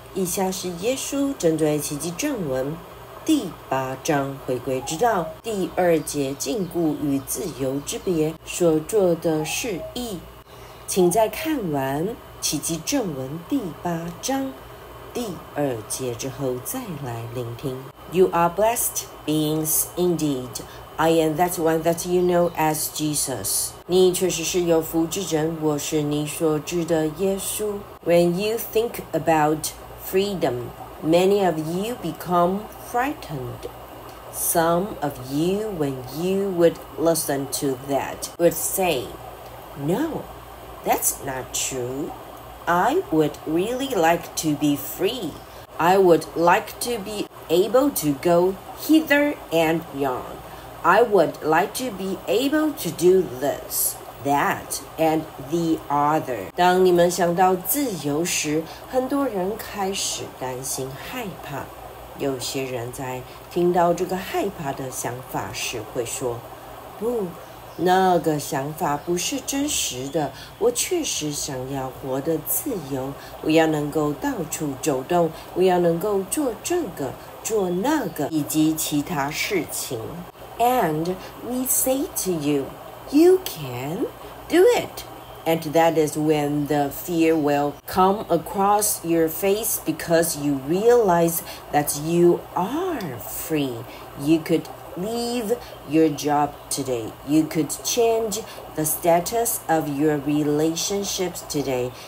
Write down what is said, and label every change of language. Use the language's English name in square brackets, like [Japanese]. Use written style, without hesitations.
[Chinese] 以下是耶稣针对奇迹正文第八章回归之道第二节禁锢与自由之别所做的事义。请在看完奇迹正文第八章第二节之后再来聆听。 [English] You are blessed beings indeed. I am that one that you know as Jesus. [Chinese] 你确实是有福之人，我是你所知的耶稣。 [English] When you think about freedom, many of you become frightened. Some of you, when you would listen to that, would say, No, that's not true. I would really like to be free. I would like to be able to go hither and yon. I would like to be able to do this. That and the other. [Chinese] 当你们想到自由时，很多人开始担心害怕。有些人在听到这个害怕的想法时会说，不，那个想法不是真实的。我确实想要活得自由，我要能够到处走动，我要能够做这个，做那个，以及其他事情。 [English] And we say to you,You can do it. And that is when the fear will come across your face because you realize that you are free. You could leave your job today. You could change the status of your relationships today.